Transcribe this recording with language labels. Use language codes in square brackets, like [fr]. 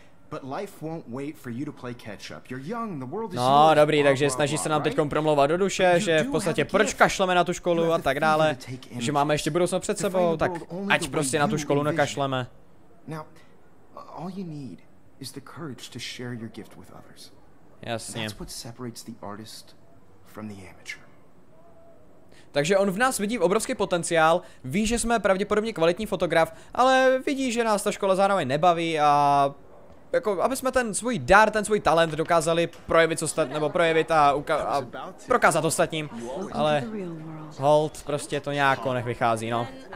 [en] But life won't wait for you to play catch up. You're young, the world is [cs] no, dobrý, takže snaží se nám teď promlouvat do duše, že v podstatě proč kašleme na tu školu a tak dále, že máme ještě budoucnost před sebou, tak ať prostě na tu školu nekašleme. [en] Now, all you need is the courage to share your gift with others. [cs] Jasně. [en] That's what separates the artist from the amateur. [cs] Takže on v nás vidí obrovský potenciál, ví, že jsme pravděpodobně kvalitní fotograf, ale vidí, že nás ta škola zároveň nebaví a jako, aby jsme ten svůj dar, ten svůj talent dokázali projevit, a prokázat ostatním. Ale hold, prostě to nějak nech vychází, no.